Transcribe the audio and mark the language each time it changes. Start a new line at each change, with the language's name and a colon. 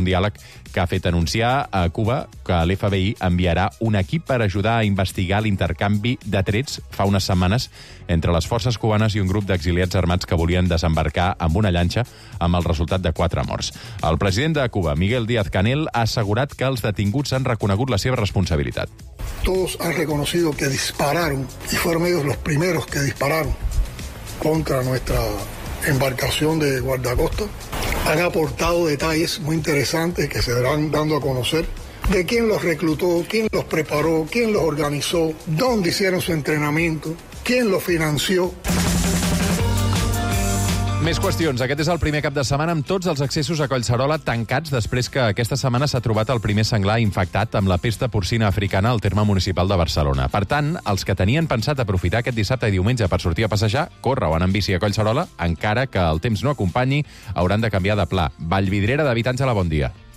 Catalan: Un diàleg que ha fet anunciar a Cuba que l'FBI enviarà un equip per ajudar a investigar l'intercanvi de trets fa unes setmanes entre les forces cubanes i un grup d'exiliats armats que volien desembarcar amb una llanxa amb el resultat de 4 morts. El president de Cuba, Miguel Díaz-Canel, ha assegurat que els detinguts han reconegut la seva responsabilitat.
Spanish: Todos han reconocido que dispararon y fueron ellos los primeros que dispararon contra nuestra embarcación de guardacosta. Han aportado detalles muy interesantes que se van dando a conocer de quién los reclutó, quién los preparó, quién los organizó, dónde hicieron su entrenamiento, quién los financió.
Catalan: Més qüestions. Aquest és el primer cap de setmana amb tots els accessos a Collserola tancats després que aquesta setmana s'ha trobat el primer senglar infectat amb la pesta porcina africana al terme municipal de Barcelona. Per tant, els que tenien pensat aprofitar aquest dissabte i diumenge per sortir a passejar, córrer o anar amb bici a Collserola, encara que el temps no acompanyi, hauran de canviar de pla. Vallvidrera, David Àngela, bon dia.